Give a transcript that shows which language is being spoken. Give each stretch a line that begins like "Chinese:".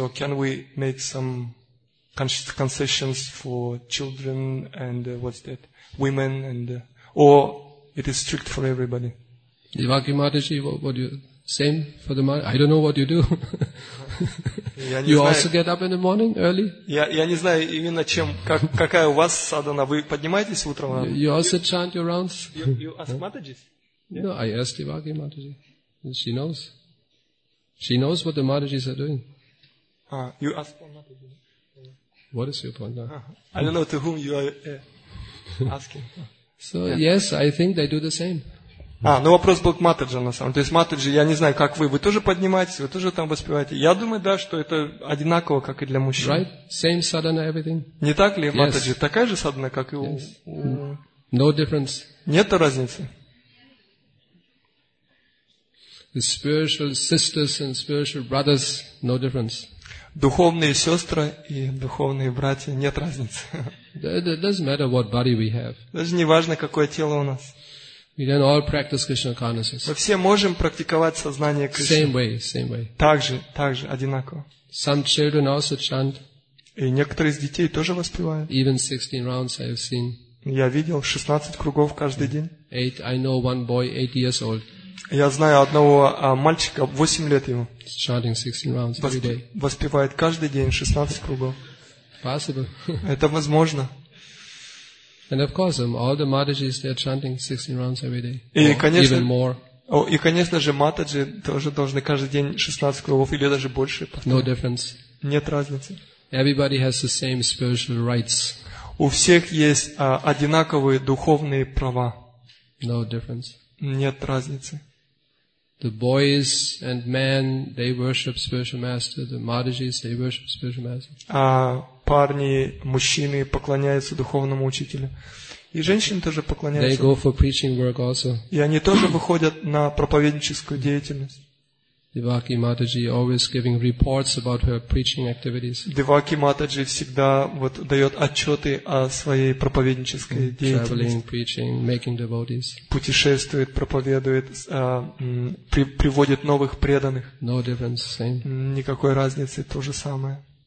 English: So can we make some concessions for children and women, and or it is strict for everybody? Devaki Mataji, what do you same for the I don't know what you do. You also get up in the morning early?
Russian: Я не знаю именно чем, какая у вас садана. Вы поднимаетесь утром?
English: You also chant your rounds? You ask Mataji? No, I asked Devaki Mataji. She knows. She knows what the Matajis are doing. You ask for Mataji. What is your point now? I don't know to whom you are asking. So yes, I think they do the same.
Russian: Ну вопрос был к Матаджи, на самом деле. То есть Матаджи, я не знаю, как вы тоже поднимаетесь, вы тоже там воспеваете. Я думаю, да, что это одинаково, как и для мужчин.
English: Right? Same sadhana, everything.
Russian: Не так ли, Матаджи? Такая же sadhana, как и у...
English: No difference.
Russian: Нет разницы?
English: The spiritual sisters and spiritual brothers, no difference.
Russian: Духовные сестры и духовные братья, нет разницы.
English: It doesn't matter what body we have.
Russian: Даже не важно, какое тело у нас.
English: We can all practice Krishna consciousness.
Russian: Мы все можем практиковать сознание Кришны.
English: Same way, same way.
Russian: Так же, одинаково.
English: Some children also chant.
Russian: И некоторые из детей тоже воспевают.
English: Even 16 rounds I have seen.
Russian: Я видел 16 кругов каждый день.
English: Eight, I know one boy, 8 years old.
Russian: Я знаю одного мальчика, 8 лет ему.
English: Chanting 16 rounds every day.
Russian: Воспевает каждый день 16 кругов.
English: Possible.
Russian: Это возможно.
English: And of course, all the Matajis, they are chanting 16 rounds every day, even more.
Russian: И, конечно же, Матаджи тоже должны каждый день 16 кругов или даже больше.
English: No difference.
Russian: Нет разницы.
English: Everybody has the same spiritual rights.
Russian: У всех есть одинаковые духовные права.
English: No difference.
Russian: Нет разницы.
English: The boys and men, they worship spiritual master. The Matajis, they worship spiritual master.
Russian: Парни, мужчины поклоняются духовному учителю. И женщины тоже поклоняются.
English: They go for preaching work also.
Russian: И они тоже выходят на проповедническую деятельность.
English: Devaki Mataji always giving reports about her preaching activities.
Russian: Devaki Mataji всегда вот даёт отчёты о своей проповеднической деятельности.
English: Traveling, preaching, making devotees.
Russian: Путешествует, проповедует, приводит новых преданных.
English: No difference, same.
Russian: Никакой разницы, то же самое.